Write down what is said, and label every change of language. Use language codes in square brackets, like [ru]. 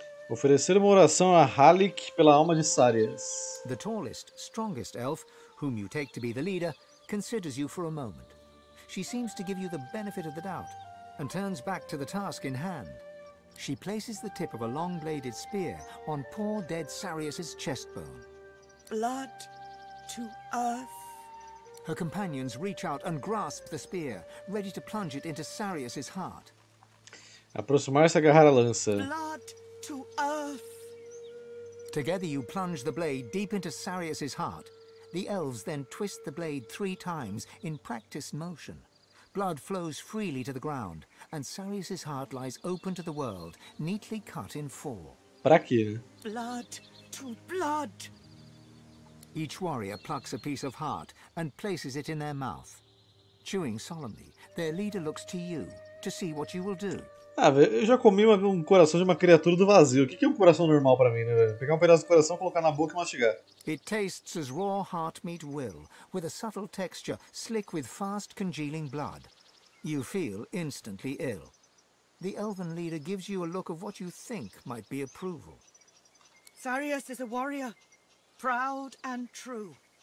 [pt] Oferecer uma oração a Halik pela alma de Sarius. [en] The tallest, strongest elf, whom you take to be the leader, considers you for a moment. She seems to give you the benefit of the doubt and turns back to the task in hand. She places the tip of a long-bladed spear on poor dead Sarius's chest bone. Blood to earth. Her companions reach out and grasp the spear, ready to plunge it into Sarius's heart. [pt] Aproximar-se e agarrar a lança. [en] Blood to earth. Together you plunge the blade deep into Sarius's heart. The elves then twist the blade three times in practiced motion. Blood flows freely to the ground, and Sarius's heart lies open to the world, neatly cut in four. [pt] Pra quê? [en] Blood to blood. Each warrior plucks a piece of heart and places it in their mouth. Chewing solemnly, their leader looks to you to see what you will do. [pt] Ah, velho, eu já comi um coração de uma criatura do vazio. O que é um coração normal pra mim, né, velho? Pegar um pedaço do coração, colocar na boca e mastigar. [en] It tastes as raw heart meat will, with a subtle texture, slick with fast congealing blood. You feel instantly ill. The elven leader gives you a look of what you think might be approval. Sarius is a warrior, proud and true.